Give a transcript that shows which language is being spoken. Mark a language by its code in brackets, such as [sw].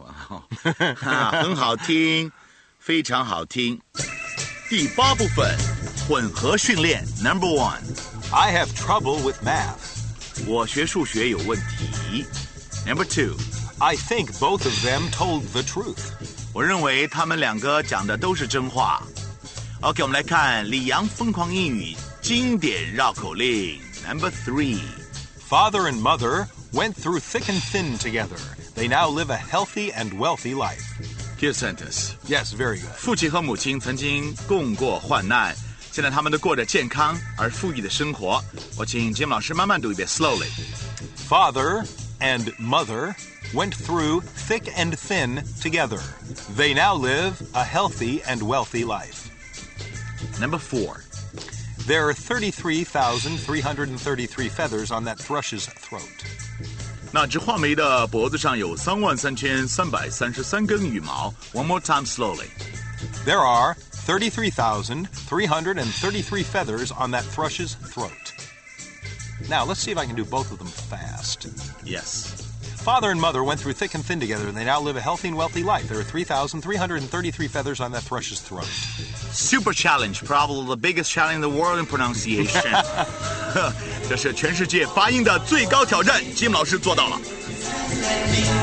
[en] Wow. [zh] 很好听非常好听。第八部分混合训练 [en] Number one. I have trouble with math. [zh] 我学数学有问题。 [en] Number two. I think both of them told the truth. [zh] 我认为他们两个讲的都是真话。 OK, 我们来看李阳疯狂英语经典绕口令 [en] Number three. Father and mother went through thick and thin together. They now live a healthy and wealthy life. Good sentence. Yes, very good. [zh] 父亲和母亲曾经共过患难，现在他们都过着健康而富裕的生活。我请 Jim 老师慢慢读一遍 [en] slowly. Father and mother went through thick and thin together. They now live a healthy and wealthy life. Number four. There are 33,333 feathers on that thrush's throat. [zh] 那只画眉的脖子上有33,333根羽毛。 [en] One more time slowly. There are 33,333 feathers on that thrush's throat. Now, let's see if I can do both of them fast. Yes. Father and mother went through thick and thin together, and they now live a healthy and wealthy life. There are 33,333 feathers on that thrush's throat. Super challenge, probably the biggest challenge in the world in pronunciation. [zh] 这是全世界发音的最高挑战，金老师做到了。